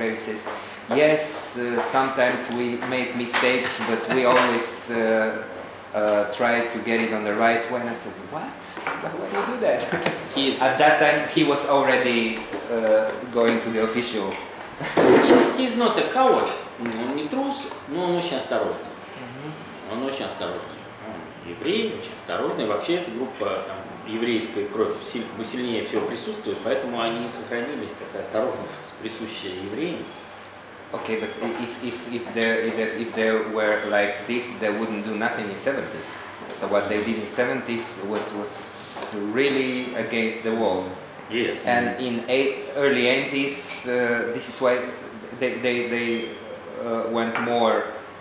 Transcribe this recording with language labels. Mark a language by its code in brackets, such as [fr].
[en] Makarevich says, yes, sometimes we make mistakes, but we always try to get it on the right way. And I said, what? Why do you do that? At that time, he was already going to the official. He's not a coward. [ru] Он не трус, но он очень осторожный. Он очень осторожный. Евреи очень осторожные. Вообще эта группа там, еврейская кровь сильнее всего присутствует, поэтому они сохранились такая осторожность, присущая евреям. [en] Okay, but if they were like this, they wouldn't do nothing in 70s. So what they did in 70s, what was really against the wall. Yes. And in early 80s, this is why they went more.